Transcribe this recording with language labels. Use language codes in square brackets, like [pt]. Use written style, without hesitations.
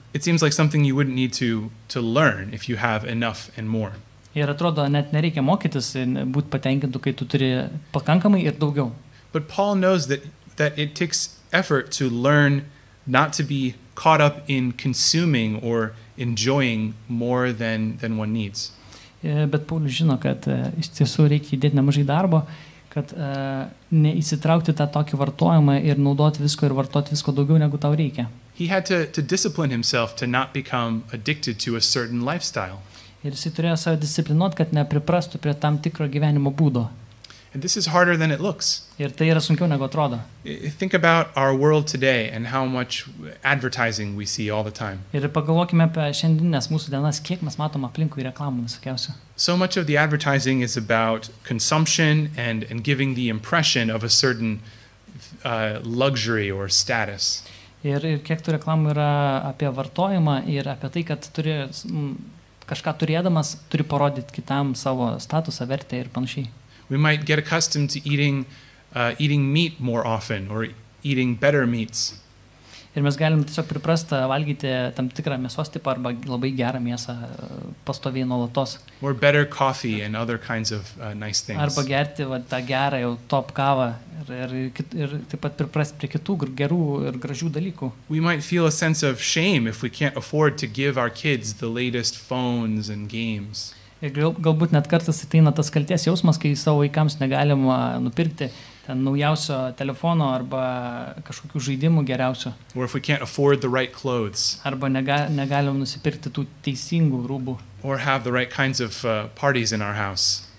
[en] It seems like something you wouldn't need to learn if you have enough and more. [lt] Ir atrodo, net nereikia mokytis būti patenkintu, kai tu turi pakankamai ir daugiau. [en] But Paul knows that it takes effort to learn not to be caught up in consuming or enjoying more than one needs. [lt] Bet Paulius žino, kad iš tiesų reikia įdėti nemažai darbo, kad neįsitraukti tą tokį vartojimą ir naudoti visko ir vartoti visko daugiau, negu tau reikia. [en] He had to discipline himself to not become addicted to a certain lifestyle. [lt] Ir jis turėjo savo disciplinuoti, kad nepriprastų prie tam tikro gyvenimo būdo. [en] And this is harder than it looks. [lt] Ir tai yra sunkiau, negu atrodo. [en] Think about our world today and how much advertising we see all the time. [lt] Ir pagalvokime apie šiandienas mūsų dienas, kiek mes matom aplinkui reklamų visokiausių. [en] So much of the advertising is about consumption and giving the impression of a certain luxury or status. [lt] Ir kiek tų reklamų yra apie vartojimą ir apie tai, kad turi kažką turėdamas, turi parodyti kitam savo statusą, vertę ir panašiai. [en] We might get accustomed to eating meat more often or eating better meats. [lt] Ir mes galim tiesiog priprasti valgyti tam tikrą mėsos tipą arba labai gerą mėsą pastoviai nuolatos. [en] Or better coffee and other kinds of nice things. [lt] Arba gerti va tą gerą jau top kavą ir taip pat priprasti prie kitų gerų ir gražių dalykų. [en] We might feel a sense of shame if we can't afford to give our kids the latest phones and games. [lt] Galbūt net kartais ateina tas kaltės jausmas, kai savo vaikams negalima nupirkti ten naujausio telefono arba kažkokių žaidimų geriausio. [en] Or if we can't afford the right clothes. [lt] Arba negalim nusipirkti tų teisingų rūbų. [en] Or have the right kinds of parties in our house.